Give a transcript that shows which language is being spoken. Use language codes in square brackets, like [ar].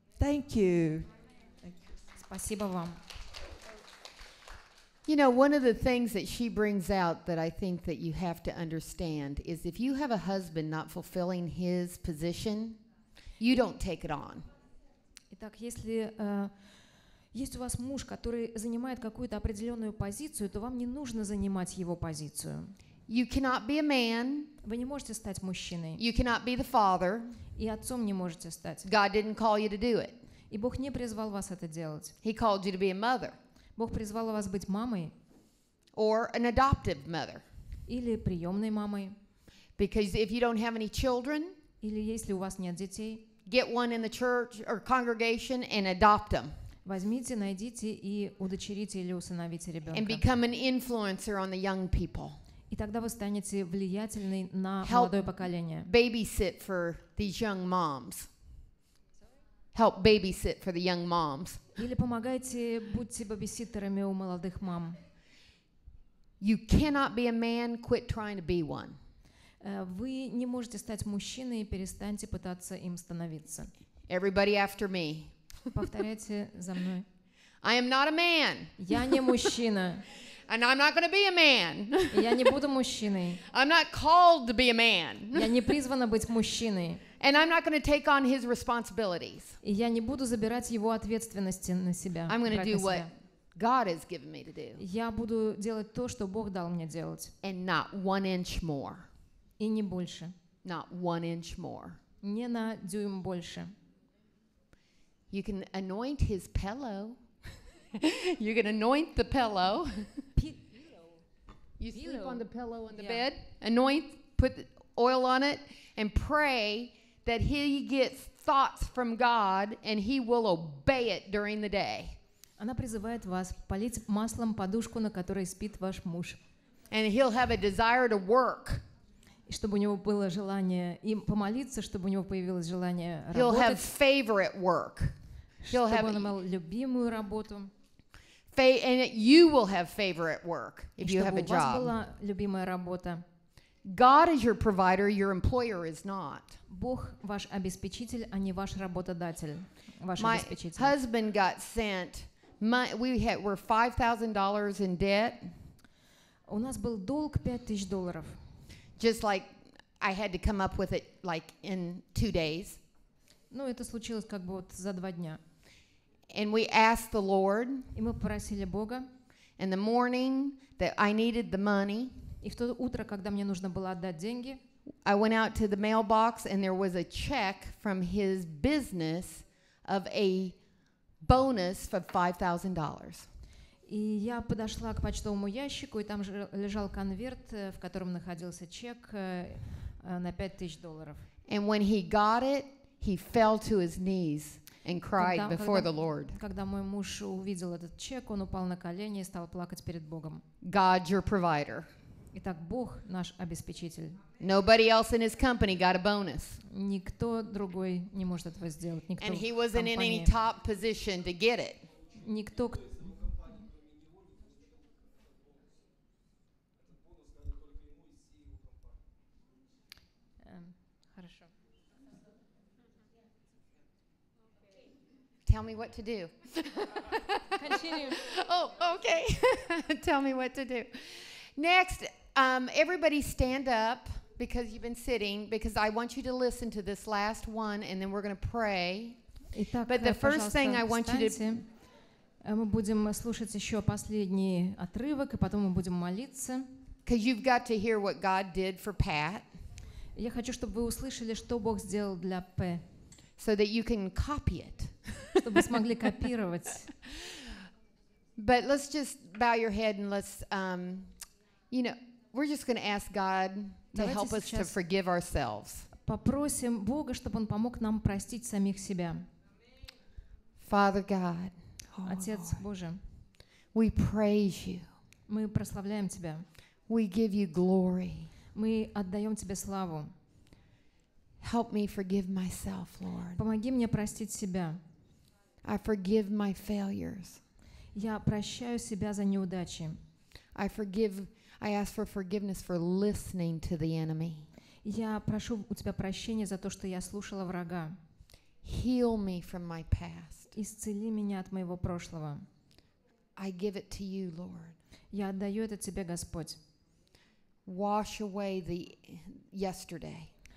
[en] Thank you. [ru] Спасибо вам. [en] You know, one of the things that she brings out that I think that you have to understand is if you have a husband not fulfilling his position, you don't take it on. [ru] Итак, если есть у вас муж, который занимает какую-то определенную позицию, то вам не нужно занимать его позицию. [en] You cannot be a man. [ru] Вы не можете стать мужчиной. [en] You cannot be the father. [ru] И отцом не можете стать. [en] God didn't call you to do it. [ru] И Бог не призвал вас это делать. [en] He called you to be a mother. [ru] Бог призвал вас быть мамой. [en] Or an adoptive mother. [ru] Или приемной мамой. [en] Because if you don't have any children, [ru] или если у вас нет детей, [en] get one in the church or congregation and adopt them. [ru] Возьмите, найдите и удочерите или усыновите ребенка. [en] And become an influencer on the young people. [ru] И тогда вы станете влиятельной на молодое поколение. [en] Help babysit for these young moms. Help babysit for the young moms. [ru] Или помогайте, будьте бабиситтерами у молодых мам. [en] You cannot be a man, quit trying to be one. [ru] Вы не можете стать мужчиной, перестаньте пытаться им становиться. [en] Everybody after me. [ru] Повторяйте за мной. [en] I am not a man. [ru] Я не мужчина. [en] And I'm not going to be a man. [ru] Я не буду мужчиной. [en] I'm not called to be a man. [ru] Я не призвана быть мужчиной. [en] And I'm not going to take on his responsibilities. [ru] И я не буду забирать его ответственности на себя. [en] I'm going to do what God has given me to do. [ru] Я буду делать то, что Бог дал мне делать. [en] And not one inch more. [ru] И не больше. [en] Not one inch more. [ru] Не на дюйм больше. [en] You can anoint his pillow. You can anoint the pillow. You sleep on the pillow on the bed. Anoint, put oil on it, and pray that he gets thoughts from God and he will obey it during the day. [ru] Она призывает вас полить маслом подушку, на которой спит ваш муж. [en] And he'll have a desire to work. [ru] Чтобы у него было желание им помолиться, чтобы у него появилось желание работать. [en] He'll have favorite work. He'll have a [ru] любимую работу. [en] And you will have favorite work if you have a job. [ru] Чтобы у вас была любимая работа. [en] God is your provider, your employer is not. [ru] Бог ваш обеспечитель, а не ваш работодатель, ваш обеспечитель. [en] My husband got sent. We're $5,000 in debt. [ru] У нас был долг $5,000. [en] Just like I had to come up with it like in 2 days. [ru] Ну, это случилось как бы вот за два дня. [en] And we asked the Lord. [ru] И мы попросили Бога. [en] In the morning that I needed the money. [ru] И в то утро, когда мне нужно было отдать деньги. [en] I went out to the mailbox and there was a check from his business of a bonus for $5,000. [ru] И я подошла к почтовому ящику, и там же лежал конверт, в котором находился чек на $5,000. [en] And when he got it, he fell to his knees. And cried before the Lord. [ru] Когда мой муж увидел этот чек, он упал на колени и стал плакать перед Богом. [en] God, your provider. [ru] Итак, Бог наш обеспечитель. [en] Nobody else in his company got a bonus. [ru] Никто другой не может этого сделать. Никто. [en] And he wasn't in any top position to get it. [ru] Никто. [en] tell me what to do. Continue. Oh, okay. Tell me what to do. Next, everybody stand up because you've been sitting, because I want you to listen to this last one, and then we're going to pray. [ru] Итак, [en] but the first thing I want [ru] встаньте. [en] You to... [ru] Мы будем слушать еще последний отрывок, и потом мы будем молиться. [en] Because you've got to hear what God did for Pat. [ru] Я хочу, чтобы вы услышали, что Бог сделал для П. [en] So that you can copy it. [ru] Чтобы смогли копировать. [en] But let's just bow your head and let's, you know, we're just going to ask God to help us to forgive ourselves. [ru] Попросим Бога, чтобы Он помог нам простить самих себя. [en] Father God. [ru] Отец Божий. [en] We praise you. [ru] Мы прославляем тебя. [en] We give you glory. [ru] Мы отдаем тебе славу. [en] Help me forgive myself, Lord. [ru] Помоги мне простить себя. [en] I forgive my failures. [ru] Я прощаю себя за неудачи. [en] I forgive. I ask for forgiveness for listening to the enemy. [ru] Я прошу у тебя прощения за то, что я слушала врага. [en] Heal me from my past. [ru] Исцели меня от моего прошлого. [en] I give it to you, Lord. [ru] Я отдаю это тебе, Господь. [en] Wash away the yesterday.